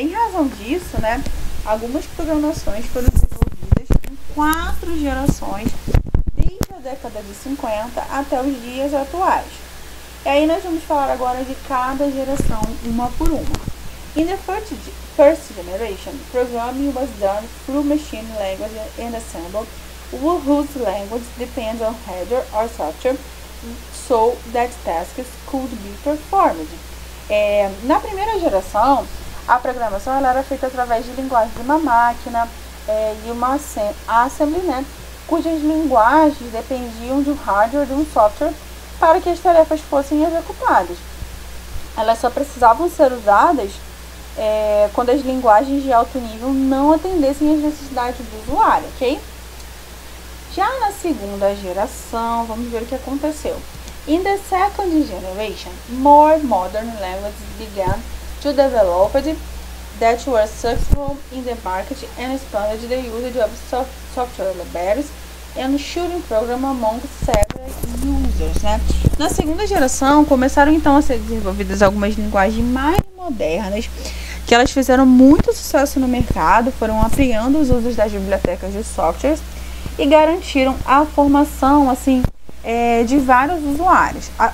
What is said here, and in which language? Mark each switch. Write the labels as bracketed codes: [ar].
[pt] Em razão disso, né, algumas programações foram desenvolvidas em quatro gerações, desde a década de 50 até os dias atuais. E aí nós vamos falar agora de cada geração, uma por uma. [en] In the first generation, programming was done through machine language and assembly, whose language depends on hardware or software, so that tasks could be performed. [pt] Na primeira geração, a programação ela era feita através de linguagem de uma máquina, e uma assembly, né, cujas linguagens dependiam de um hardware, de um software, para que as tarefas fossem executadas. Elas só precisavam ser usadas, quando as linguagens de alto nível não atendessem às necessidades do usuário, ok? Já na segunda geração, vamos ver o que aconteceu. [en] In the second generation, more modern languages began to develop that were successful in the market and expanded the usage of software libraries and shooting programs among several users, né? [pt] Na segunda geração, começaram então a ser desenvolvidas algumas linguagens mais modernas, que elas fizeram muito sucesso no mercado, foram ampliando os usos das bibliotecas de softwares e garantiram a formação, assim, de vários usuários.